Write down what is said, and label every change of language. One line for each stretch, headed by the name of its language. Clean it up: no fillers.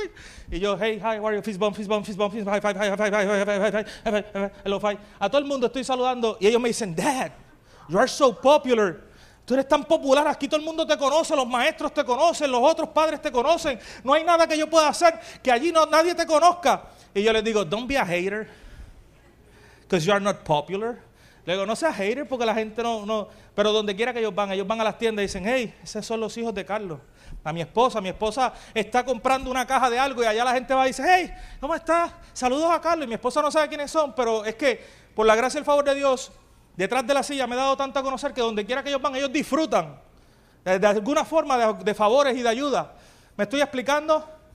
English: Hey.
Spanish: Y yo,
English: hey, hi, how are you? Fist bump, fist bump, fist bump, fist bump, high five, high five, high five, high five, high five, high five, hello, five.
Spanish: A todo el mundo estoy saludando y ellos me dicen,
English: Dad, you are so popular.
Spanish: Tú eres tan popular, aquí todo el mundo te conoce, los maestros te conocen, los otros padres te conocen. No hay nada que yo pueda hacer que allí no, nadie te conozca. Y yo les digo,
English: don't be a hater, because you are not popular.
Spanish: Le digo, no seas hater porque la gente no. Pero donde quiera que ellos van a las tiendas y dicen, hey, esos son los hijos de Carlos. A mi esposa está comprando una caja de algo y allá la gente va y dice, hey, ¿cómo estás? Saludos a Carlos. Y mi esposa no sabe quiénes son, pero es que por la gracia y el favor de Dios, detrás de la silla me he dado tanto a conocer que donde quiera que ellos van, ellos disfrutan de alguna forma de favores y de ayuda. ¿Me estoy explicando?